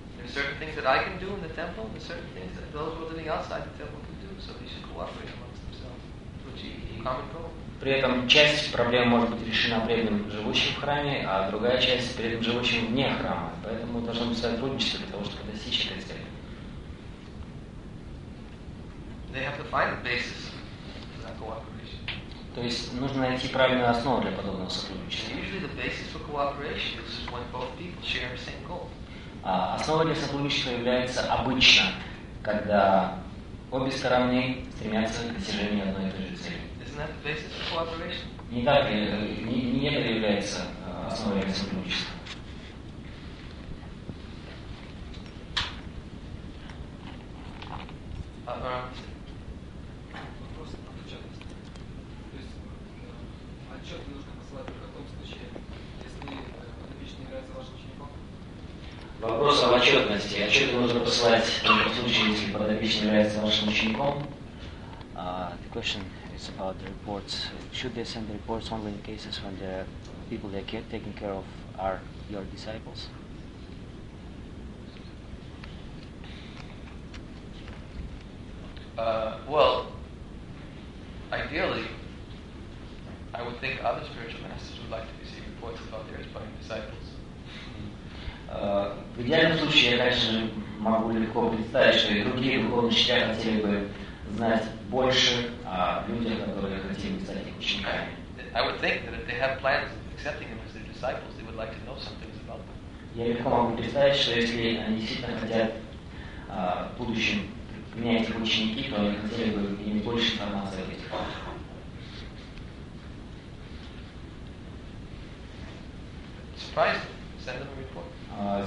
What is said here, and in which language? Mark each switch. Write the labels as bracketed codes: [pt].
[en] There are certain things that I can do in the temple, and there are certain things that those who are living outside the temple can do, so they should cooperate amongst themselves to achieve a common goal. [ru] При этом часть проблем может быть решена преданным, живущим в храме, а другая часть преданным, живущим вне храма. Поэтому должно быть сотрудничество для того, чтобы достичь этой цели. [en] They have to find the basis for that cooperation. [ru] То есть нужно найти правильную основу для подобного сотрудничества. [en] Usually the basis for cooperation is when both people share the same goal. [ru] А основой для сотрудничества является обычно, когда обе стороны стремятся к достижению одной и той же цели. [en] Isn't that the basis of cooperation? [ru] Не так, не это является основой сотрудничества. Вопрос об отчетности. То есть отчет нужно посылать в каком случае, если подопечный является вашим учеником? Вопрос об отчетности. Отчет нужно посылать в каком случае, если подопечный является вашим учеником? [en] The question. It's about the reports. Should they send the reports only in cases when the people they are taking care of are your disciples? Well, ideally, I would think other spiritual masters would like to receive reports about their aspiring disciples. [ru] В идеальном случае, я, конечно, могу легко представить, что и другие духовные учителя хотели бы знать больше о людях, которые хотели бы стать их учениками. [en] I would think that if they have plans of accepting him as their disciples, they would like to know some things about them. [ru] Я легко могу представить, что если они действительно хотят в будущем принять их ученики, то они хотели бы иметь больше информации об этих планах. [en] Surprise them. Send them a report.